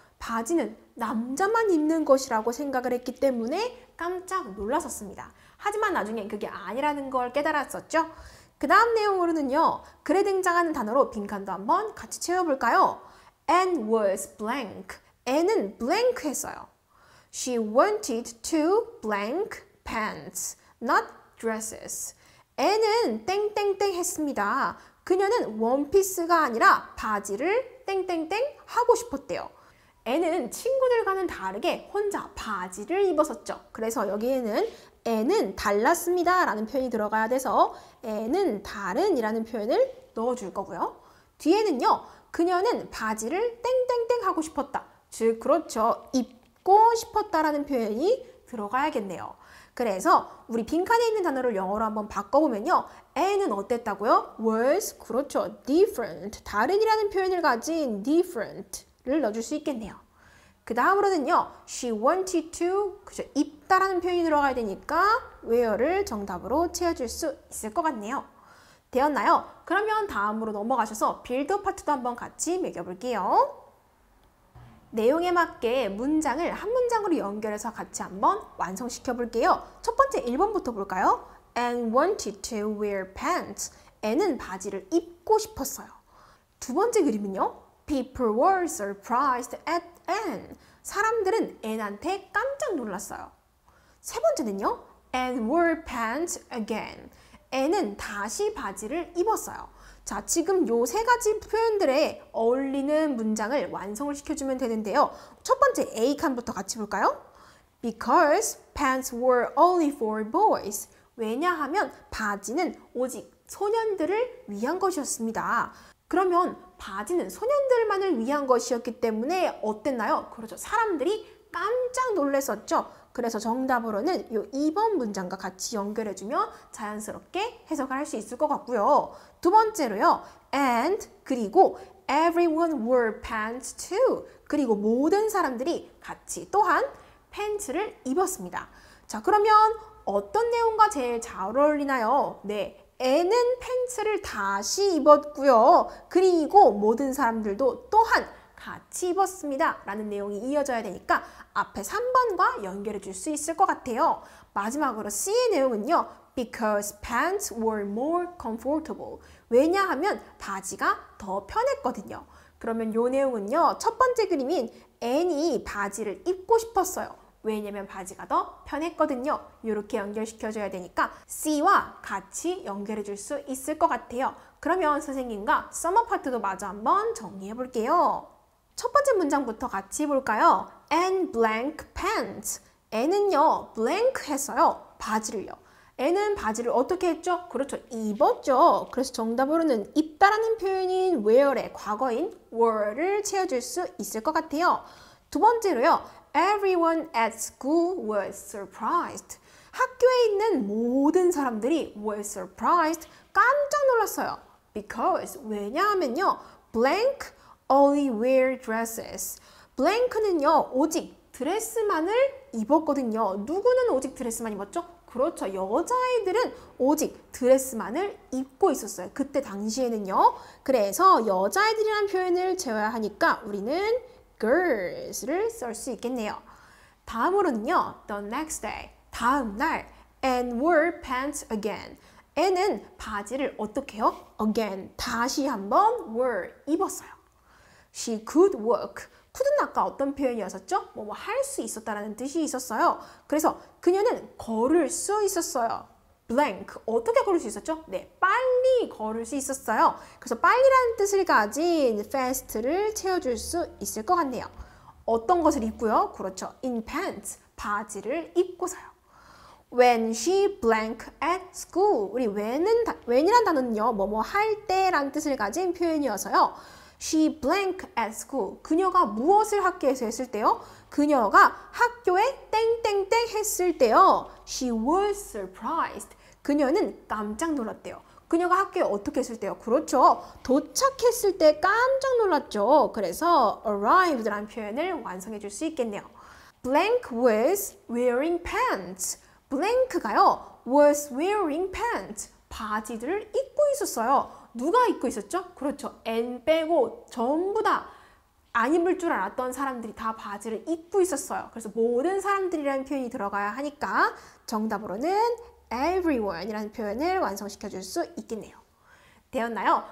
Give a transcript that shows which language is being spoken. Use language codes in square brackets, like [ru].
[ko] 바지는 남자만 입는 것이라고 생각을 했기 때문에 깜짝 놀랐었습니다. 하지만 나중엔 그게 아니라는 걸 깨달았었죠. 그 다음 내용으로는요. 글에 등장하는 단어로 빈칸도 한번 같이 채워볼까요? [en] Anne was blank. [ko] Anne은 blank 했어요. [en] She wanted to blank pants, not dresses. [ko] Anne은 땡땡땡 했습니다. 그녀는 원피스가 아니라 바지를 땡땡땡 하고 싶었대요. Anne은 친구들과는 다르게 혼자 바지를 입었었죠. 그래서 여기에는 Anne은 달랐습니다 라는 표현이 들어가야 돼서 Anne은 다른이라는 표현을 넣어줄 거고요. 뒤에는요. 그녀는 바지를 땡땡땡 하고 싶었다. 즉 그렇죠. 입고 싶었다라는 표현이 들어가야겠네요. 그래서 우리 빈칸에 있는 단어를 영어로 한번 바꿔보면요. Anne은 어땠다고요? [en] Was [ko] 그렇죠. [en] Different. [ko] 다른이라는 표현을 가진 different를 넣어줄 수 있겠네요. 그 다음으로는요. [en] She wanted to [ko] 그렇죠. 입다라는 표현이 들어가야 되니까 where를 정답으로 채워줄 수 있을 것 같네요. 되었나요? 그러면 다음으로 넘어가셔서 빌드업 파트도 한번 같이 매겨볼게요. 내용에 맞게 문장을 한 문장으로 연결해서 같이 한번 완성시켜볼게요. 첫 번째 1번부터 볼까요? [en] Anne wanted to wear pants. [ko] Anne은 바지를 입고 싶었어요. 두 번째 그림은요. [en] People were surprised at Anne. [ko] 사람들은 Anne한테 깜짝 놀랐어요. 세 번째는요. [en] Anne wore pants again. [ko] Anne은 다시 바지를 입었어요. 자, 지금 요 세 가지 표현들에 어울리는 문장을 완성을 시켜주면 되는데요. 첫 번째 A칸부터 같이 볼까요? [en] Because pants were only for boys. [ko] 왜냐하면 바지는 오직 소년들을 위한 것이었습니다. 그러면 바지는 소년들만을 위한 것이었기 때문에 어땠나요? 그렇죠. 사람들이 깜짝 놀랐었죠. 그래서 정답으로는 요 2번 문장과 같이 연결해주면 자연스럽게 해석을 할 수 있을 것 같고요. 두 번째로요. [en] And [ko] 그리고 [en] everyone wore pants too. [ko] 그리고 모든 사람들이 같이 또한 팬츠를 입었습니다. 자 그러면 어떤 내용과 제일 잘 어울리나요? 네, Anne은 팬츠를 다시 입었고요. 그리고 모든 사람들도 또한 같이 입었습니다 라는 내용이 이어져야 되니까 앞에 3번과 연결해 줄 수 있을 것 같아요. 마지막으로 C의 내용은요. [en] Because pants were more comfortable. [ko] 왜냐하면 바지가 더 편했거든요. 그러면 요 내용은요. 첫 번째 그림인 Anne이 바지를 입고 싶었어요. 왜냐면 바지가 더 편했거든요. 이렇게 연결시켜줘야 되니까 C와 같이 연결해줄 수 있을 것 같아요. 그러면 선생님과 서머 파트도 마저 한번 정리해볼게요. 첫 번째 문장부터 같이 볼까요? [en] Anne blank pants. [ko] Anne은요, blank 했어요. 바지를요. Anne은 바지를 어떻게 했죠? 그렇죠, 입었죠. 그래서 정답으로는 입다라는 표현인 wear의 과거인 were를 채워줄 수 있을 것 같아요. 두 번째로요. [en] Everyone at school was surprised. [ko] 학교에 있는 모든 사람들이 [en] were surprised. [ko] 깜짝 놀랐어요. [en] Because, [ko] 왜냐하면요. [en] blank only wear dresses. [ko] blank는요. 오직 드레스만을 입었거든요. 누구는 오직 드레스만 입었죠? 그렇죠. 여자애들은 오직 드레스만을 입고 있었어요. 그때 당시에는요. 그래서 여자애들이란 표현을 채워야 하니까 우리는 girls를 쓸 수 있겠네요. 다음으로는요. [en] The next day. [ko] 다음 날. [en] Anne wore pants again. [ko] Anne은 바지를 어떻게 해요? [en] Again. [ko] 다시 한번 wore 입었어요. [en] She could walk. [ko] could은 아까 어떤 표현이었었죠? 뭐 할 수 있었다라는 뜻이 있었어요. 그래서 그녀는 걸을 수 있었어요. blank. 어떻게 걸을 수 있었죠? 네. 빨리 걸을 수 있었어요. 그래서 빨리라는 뜻을 가진 fast를 채워줄 수 있을 것 같네요. 어떤 것을 입고요? 그렇죠. [en] in pants. [ko] 바지를 입고서요. [en] When she blank at school. [ko] 우리 when은, when이란 단어는요. 뭐뭐 할 때라는 뜻을 가진 표현이어서요. [en] She blank at school. [ko] 그녀가 무엇을 학교에서 했을 때요? 그녀가 학교에 땡땡땡 했을 때요. [en] She was surprised. [ko] 그녀는 깜짝 놀랐대요. 그녀가 학교에 어떻게 했을 때요? 그렇죠. 도착했을 때 깜짝 놀랐죠. 그래서 arrived라는 표현을 완성해 줄 수 있겠네요. [en] Blank was wearing pants. Blank가요. Was wearing pants. [ko] 바지들을 입고 있었어요. 누가 입고 있었죠? 그렇죠. Anne 빼고 전부 다 안 입을 줄 알았던 사람들이 다 바지를 입고 있었어요. 그래서 모든 사람들이라는 표현이 들어가야 하니까 정답으로는 everyone이라는 표현을 완성시켜 줄 수 있겠네요. 되었나요?